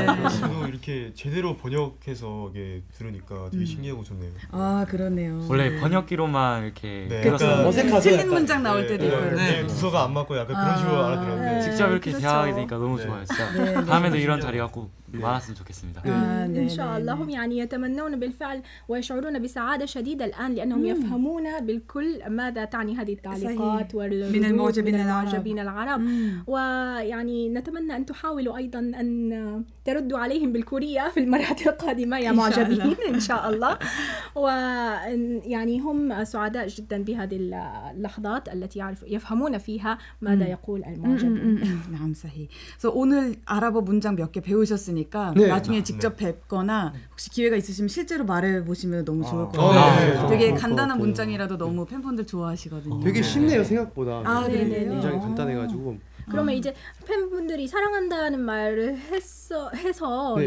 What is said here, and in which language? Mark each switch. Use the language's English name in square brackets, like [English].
[Korean] 진호 이렇게 제대로 번역해서 이게 들으니까 되게 신기하고 좋네요. 아 그러네요. 원래 번역기로만 이렇게 네. 그러니까 어색하죠. 틀린 약간. 문장 나올 때도 있고요. 네. 부서가 안 맞고 약간 그런 식으로 알아들었는데 직접 이렇게 그렇죠. 대화하게 되니까 너무 네. 좋아요. 진짜 네. 다음에도 이런 자리가 꼭 많았으면 좋겠습니다. 네. [Arabic] 인샤알라 هم يعني يتمنون بالفعل ويشعرون بسعادة شديدة الآن لأنهم يفهمون بالكل ماذا تعني هذه التعليقات من المعجبين العرب ويعني نتمنى أن تحاولوا أيضا أن تردوا عليهم بالكورية في المرحلة القادمة يا معجبين إن شاء الله ويعني هم سعداء جدا بهذه اللحظات التي يفهمون فيها ماذا يقول المعجبين نعم صحيح. [Korean] so 오늘 아랍어 문장 몇 개 배우셨으니까 나중에 직접 뵙거나 혹시 기회가 있으시면 실제로 말해 보시면 너무 좋을 것 같아요. 되게 간단한 문장이라도 너무 팬분들 좋아하시거든요. 되게 쉽네요 생각보다. 아 네네. 문장이 간단해가지고. 그러면 이제 팬분들이 사랑한다는 말을 해서 네.